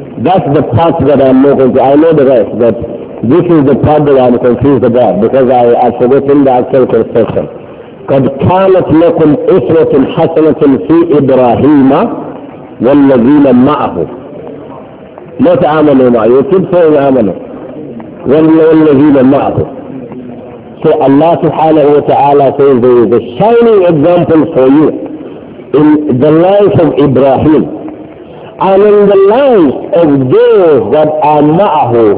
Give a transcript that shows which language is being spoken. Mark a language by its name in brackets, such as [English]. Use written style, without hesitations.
[English] That's the part that I'm more confused. I know the rest, but this is the part that I'm confused about because I've forgotten the actual construction. [Arabic] قد كانت لكم أسوة حسنة في إبراهيم والذين معه [English] not [Arabic] آمنوا معه. [English] You keep saying [Arabic] آمنوا والذين معه. [English] So Allah subhanahu wa ta'ala says there is a shining example for you in the life of Ibrahim and in the life of those that are ma'ahu.